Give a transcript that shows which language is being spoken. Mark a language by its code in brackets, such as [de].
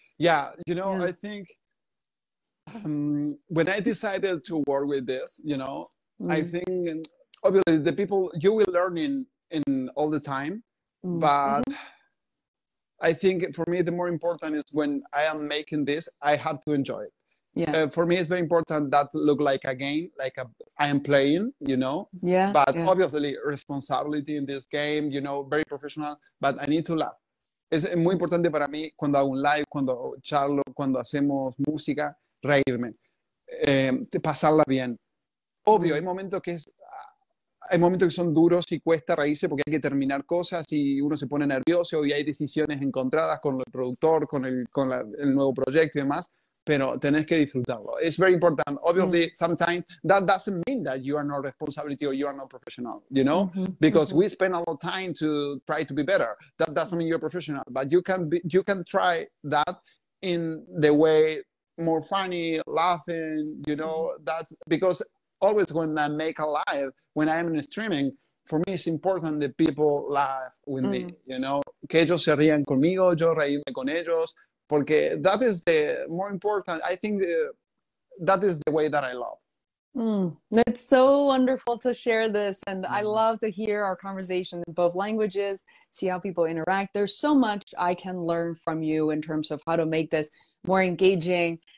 [en] Yeah, you know, I think when I decided to work with this, you know, I think, and obviously the people, you will learn in all the time, but I think for me, the more important is when I am making this, I have to enjoy it. Yeah. For me, it's very important that look like a game, like I am playing, you know, but obviously responsibility in this game, you know, very professional, but I need to laugh. [es] Es muy importante para mí cuando hago un live, cuando charlo, cuando hacemos música, reírme, pasarla bien. Obvio, hay momentos que son duros y cuesta reírse porque hay que terminar cosas y uno se pone nervioso y hay decisiones encontradas con el productor, con el nuevo proyecto y demás. Pero tenés que disfrutarlo. [en] It's very important. Obviously, sometimes that doesn't mean that you are not responsibility or you are not professional, you know? Because we spend a lot of time to try to be better. That doesn't mean you're professional. But you can try that in the way more funny, laughing, you know? That's because always when I make a live, when I'm in streaming, for me, it's important that people laugh with me, you know? [es] Que ellos se rían conmigo, yo reírme con ellos. [en] Porque that is the more important. I think that is the way that I love. It's so wonderful to share this. And I love to hear our conversation in both languages, see how people interact. There's so much I can learn from you in terms of how to make this more engaging.